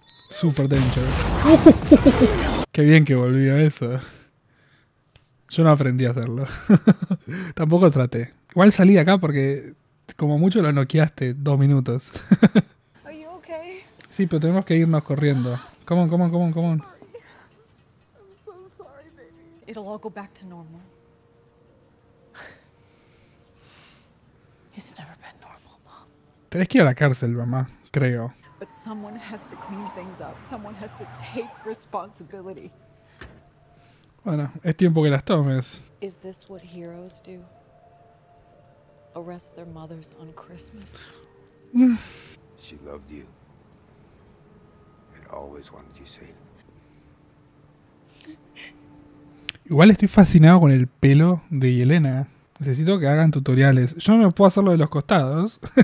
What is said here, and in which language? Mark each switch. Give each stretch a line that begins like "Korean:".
Spanish: Super Danger. Qué bien que volvió eso. Yo no aprendí a hacerlo. Tampoco traté. Igual salí de acá porque como mucho lo noqueaste 2 minutos. Sí, pero tenemos que irnos corriendo.
English: Come on, come on, come on, come on. It'll all go back to normal. It's never been normal, Mom.
Spanish: Tenés que ir a la cárcel, mamá, creo.
English: But someone has to clean things up. Someone has to take responsibility.
Spanish: Bueno, es tiempo que las tomes.
English: Is this what heroes do? Arrest their mothers on Christmas? She loved you. And always wanted you safe.
Spanish: Igual estoy fascinado con el pelo de Yelena. Necesito que hagan tutoriales. Yo no me puedo hacer lo de los costados.